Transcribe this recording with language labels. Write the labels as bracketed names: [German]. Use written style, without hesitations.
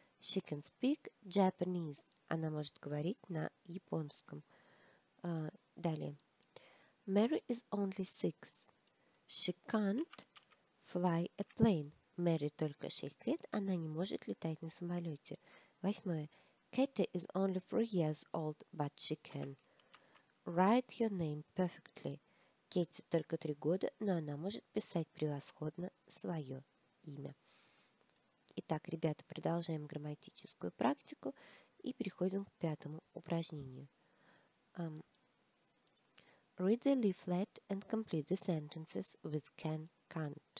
[English] She can speak Japanese. [Russian] Она может говорить на японском. Далее. [English] Mary is only 6. She can't fly a plane. [Russian] Мэри только 6 лет, она не может летать на самолете. Восьмое. [English] Katie is only 3 years old, but she can write your name perfectly. [Russian] Katie только 3 года, но она может писать превосходно свое имя. Итак, ребята, продолжаем грамматическую практику и переходим к 5-му упражнению. [English] Read the leaflet and complete the sentences with can, can't.